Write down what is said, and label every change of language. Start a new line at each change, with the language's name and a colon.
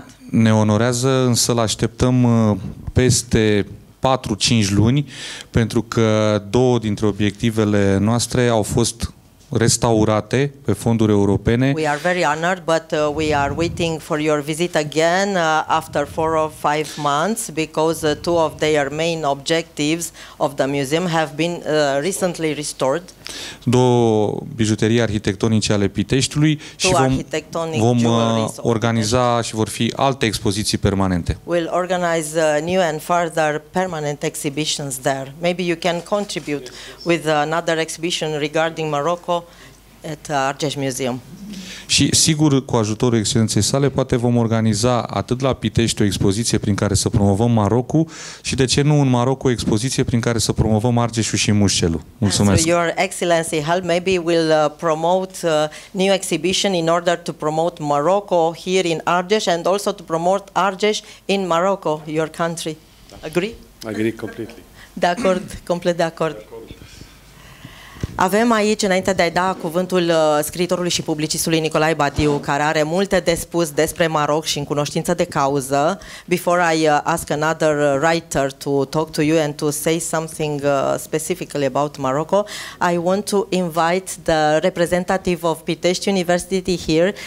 Romanian: Ne onorează, însă l-așteptăm peste 4-5 luni, pentru că două dintre obiectivele noastre au fost restaurate pe fonduri europene.
English: We are very honored, but we are waiting for your visit again after 4 or 5 months because two of their main objectives of the museum have been recently restored.
Romanian: Două bijuterii arhitectonice ale Piteștiului și vom organiza și vor fi alte expoziții permanente.
English: We'll organize new and further permanent exhibitions there. Maybe you can contribute with another exhibition regarding Morocco at Argeș Museum.
Romanian: Și sigur, cu ajutorul excelenței sale, poate vom organiza atât la Pitești o expoziție prin care să promovăm Marocul și, de ce nu, în Maroc o expoziție prin care să promovăm Argeșul și Mușcelul. Mulțumesc!
English: So your excellency, maybe we'll promote new exhibition in order to promote Morocco here in Argeș and also to promote Argeș in Morocco, your country. Agree? Agree completely.
Romanian: De acord, complet de acord. Avem aici, înainte de a-i da cuvântul scriitorului și publicistului Nicolae Badiu, care are multe de spus despre Maroc și în cunoștință de cauză,
English: before I ask another writer to talk to you and to say something specifically about Morocco, I want to invite the representative of Pitești University here.